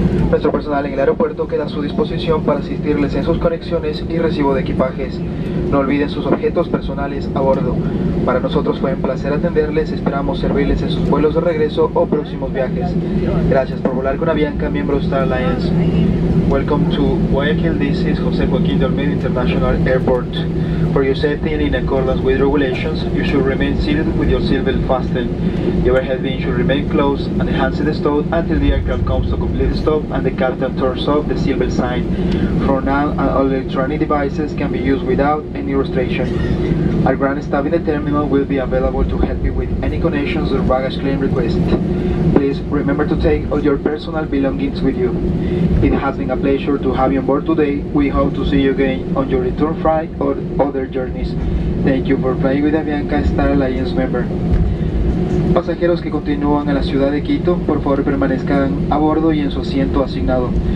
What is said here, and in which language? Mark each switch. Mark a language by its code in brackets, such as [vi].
[es] Nuestro personal en el aeropuerto queda a su disposición para asistirles en sus conexiones y recibo de equipajes. No olviden sus objetos personales a bordo. Para nosotros fue un placer atenderles, esperamos servirles en sus vuelos de regreso o próximos viajes. Gracias por volar con Avianca, miembro de Star Alliance. [en] Welcome to Guayaquil, this is José Joaquín de Olmedo International Airport. For your safety and in accordance with regulations, you should remain seated with your seatbelt fastened. Your overhead bin should remain closed and the hands stowed until the aircraft comes to complete stop and the captain turns off the seatbelt sign. From now on, all electronic devices can be used without any restriction. Our ground staff in the terminal will be available to help you with any connections or baggage claim request. Please remember to take all your personal belongings with you. It has been a pleasure to have you on board today. We hope to see you again on your return flight or other journeys. Thank you for flying with Avianca, Star Alliance member. [es] Pasajeros que continúan a la ciudad de Quito, por favor permanezcan a bordo y en su asiento asignado.